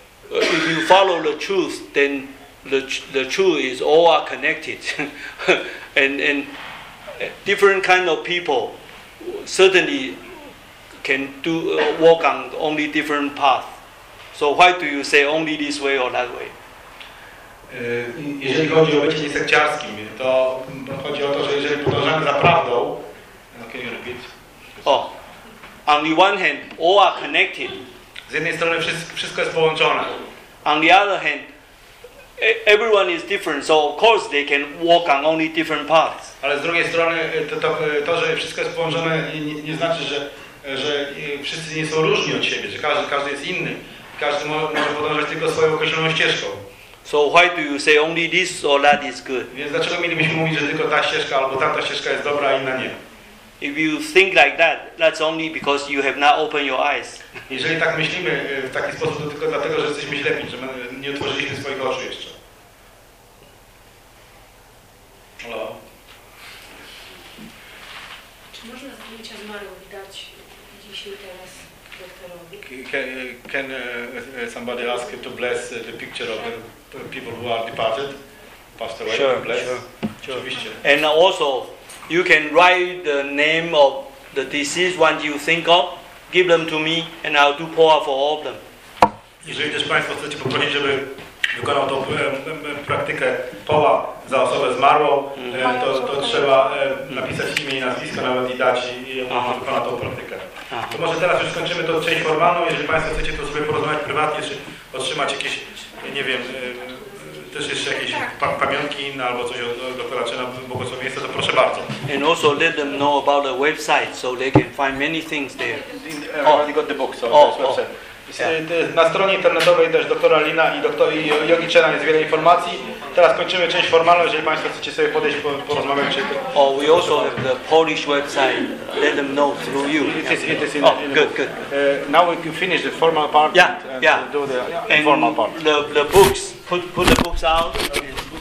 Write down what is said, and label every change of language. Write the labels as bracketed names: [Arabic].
[English] If you follow the truth, then the truth is all are connected. and different kind of people certainly can do walk on only different path. So why do you say only this way or that way? [Polish] Jeżeli chodzi o bycie niesekciarskim, to chodzi o to, że jeżeli podążamy za prawdą... [English] Can you repeat? Oh, on the one hand, all are connected. [Polish] Z jednej strony wszystko jest połączone. [English] On the other hand, everyone is different, so of course they can walk on only different paths. [Polish] Ale z drugiej strony to, że wszystko jest połączone, nie znaczy, że wszyscy nie są różni od siebie, że każdy jest inny. Każdy może podążać tylko swoją określoną ścieżką. [English] So why do you say only this or that is good? [Polish] Więc dlaczego mielibyśmy mówić, że tylko ta ścieżka albo tamta ścieżka jest dobra, a inna nie? [English] If you think like that, that's only because you have not opened your eyes. [Polish] Jeżeli tak myślimy w taki sposób, to tylko dlatego, że jesteśmy ślepi, że nie otworzyliśmy swoich oczu jeszcze. [English] Hello. [Polish] Czy można zdjęcia zmarłych dać dzisiaj teraz doktorowi? [English] Can somebody ask to bless the picture of the people who are departed? Passed away, sure, bless. Sure. And also, you can write the name of the deceased one you think of. give them to me and I'll do poa for all of them. [Polish] Jeżeli też Państwo chcecie poprosić, żeby wykonał tą praktykę poa za osobę zmarłą, to trzeba napisać imię i nazwisko nawet i dać i wykonał tą praktykę. To może teraz już skończymy tą część formalną. Jeżeli Państwo chcecie to sobie porozmawiać prywatnie, czy otrzymać jakieś, nie wiem, też jeszcze jakieś pamiątki inne albo coś od doktora czy na błogosławieństwo, to proszę bardzo. [English] And also let them know about the website so they can find many things there. Everybody got the book, so that's what I said. [Polish] Na stronie internetowej też doktora Lina i doktora Yogi Chena jest wiele informacji. Teraz kończymy część formalną, jeżeli Państwo chcecie sobie podejść, porozmawiać. [English] Oh, we also have the Polish website. Let them know through you. Good. Now we can finish the formal part. Yeah. Do the informal part. The books, put the books out. Okay.